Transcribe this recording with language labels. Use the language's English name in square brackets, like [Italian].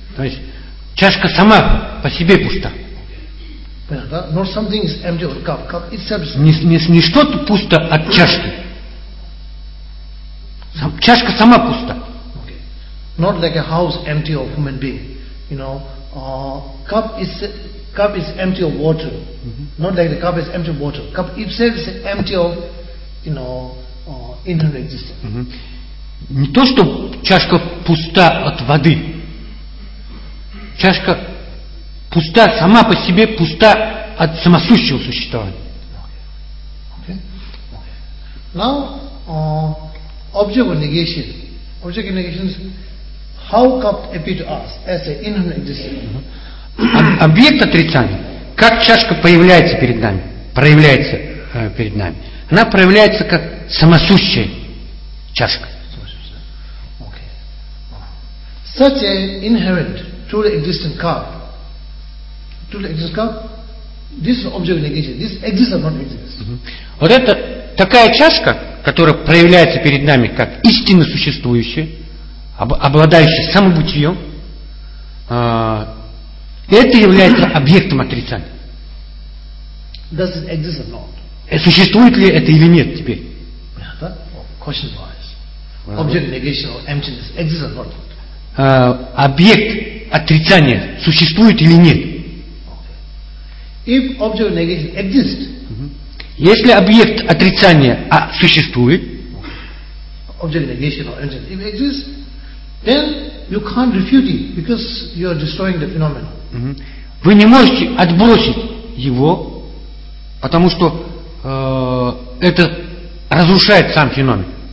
[Russian] То есть чашка сама по себе пуста. [English] Not something is empty or cup. Cup itself is [Russian] empty. Не что-то пусто от чашки. Чашка сама пуста. [English] Okay. Not like a house empty of human being. You know, cup is empty of water. Mm-hmm. Not like the cup is empty of water. Cup itself is empty of, you know, internal existence. Mm-hmm. [Russian] Не то, что чашка пуста от воды. Чашка пуста сама по себе, пуста от самосущего существования. [English] Okay. Okay. Now, object of negation. Object of negation is how cup appear to us as an inherent existence. [Russian] Объект отрицания. Как чашка появляется перед нами? Проявляется перед нами. Она проявляется как самосущая чашка. [English] Such an inherent, truly existent cup. Truly existent cup. This object of negation. This exists or not exists. Mm-hmm. [Russian] Вот это такая чашка, которая проявляется перед нами как истинно существующая, обладающая самобытием, это является объектом отрицания. [English] Does it exist or not? [Russian] Существует ли это или нет теперь? [English] Yeah, question wise. Object of negation or emptiness exists or not? [Russian] Объект отрицания существует или нет? [English] If object negation exists, [Russian] если объект отрицания существует, [English] object negation or emptiness, if it exists, then you can't refute it because you are destroying the phenomenon. [Russian] Вы не можете отбросить его, потому что это разрушает сам феномен.